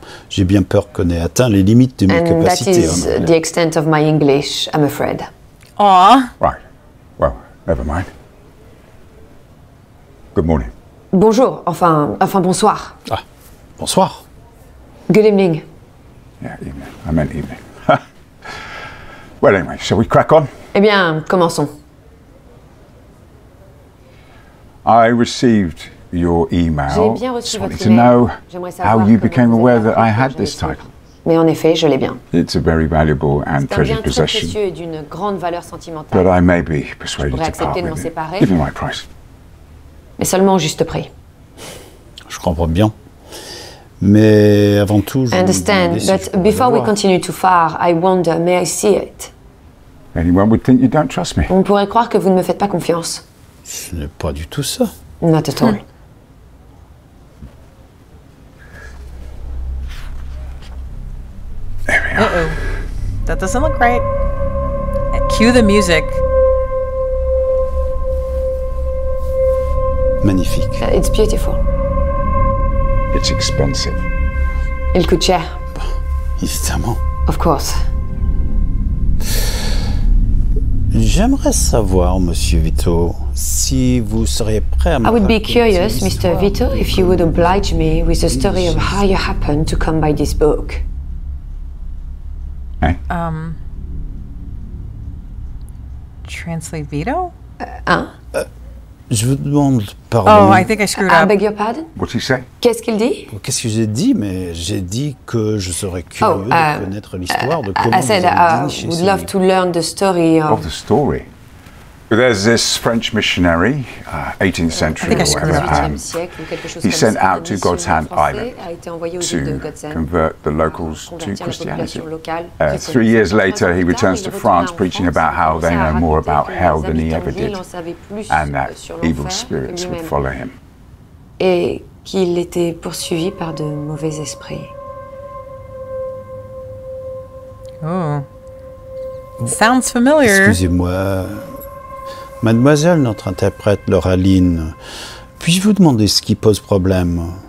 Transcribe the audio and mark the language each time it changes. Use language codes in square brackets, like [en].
[fr] J'ai bien peur qu'on ait atteint les limites de mes [en] and [fr] capacités. [en] And that is the extent of my English, I'm afraid. Aww. Right. Well, never mind. Good morning. [fr] Bonjour. Enfin, bonsoir. Ah, bonsoir. [en] Good evening. Yeah, evening. I meant evening. Well, anyway, shall we crack on? [fr] Eh bien, commençons. [en] I received your email. [fr] J'ai bien reçu votre email. [en] To know how you became aware that I had this title. [fr] Mais en effet, je l'ai bien. [en] It's a very valuable and treasured possession. [fr] C'est un bien très précieux et d'une grande valeur sentimentale. [en] But I may be persuaded to part with it. [fr] Séparer, [en] give me my price. [fr] Mais seulement au juste prix. Je comprends bien. Mais avant tout, je [en] understand, but before we continue too far, I wonder, may I see it? Anyone would think you don't trust me. [fr] On pourrait croire que vous ne me faites pas confiance. Ce n'est pas du tout ça. [en] Not at all. There we are. Uh-oh. That doesn't look right. Cue the music. [fr] magnifique. [en] It's beautiful. It's expensive. [fr] Il coûte cher. Évidemment. [en] Of course. [fr] J'aimerais savoir, Monsieur Vito, si vous seriez prêt à me [en] I would be curious, Mr. Vito, if you would oblige me with the story of how you happened to come by this book. Hein? Translate Vito? [fr] Je vous demande pardon. [en] Oh, I think I screwed up. I beg your pardon? What's he say? [fr] Qu'est-ce qu'il dit? Qu'est-ce que j'ai dit? Mais j'ai dit que je serais curieux de connaître l'histoire de comment [en] I said, would love to learn the story of... Of the story? There's this French missionary, 18th century I think or whatever, he sent out to God's Hand Island to convert the locals to Christianity. 3 years later, he returns to France preaching about how they know more about hell than he ever did and that evil spirits would follow him. [fr] Et qu'il était poursuivi par de mauvais esprits. [en] Oh. Sounds familiar. [fr] Excusez-moi. Mademoiselle, notre interprète, Laura Lynn, puis-je vous demander ce qui pose problème?